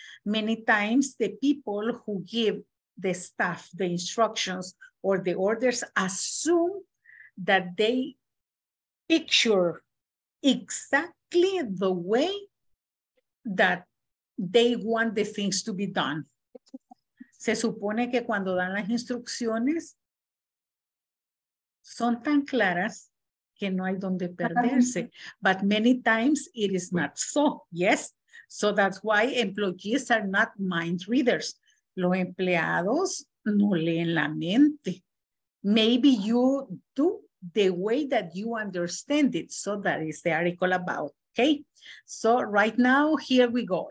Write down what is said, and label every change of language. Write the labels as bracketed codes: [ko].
[en] Many times the people who give the staff the instructions or the orders assume that they picture exactly the way that they want the things to be done. [es] Se supone que cuando dan las instrucciones son tan claras que no hay donde perderse. [en] But many times it is not so, yes? So that's why employees are not mind readers. [es] Los empleados no leen la mente. [en] Maybe you do the way that you understand it. So that is the article about, okay? So right now, here we go.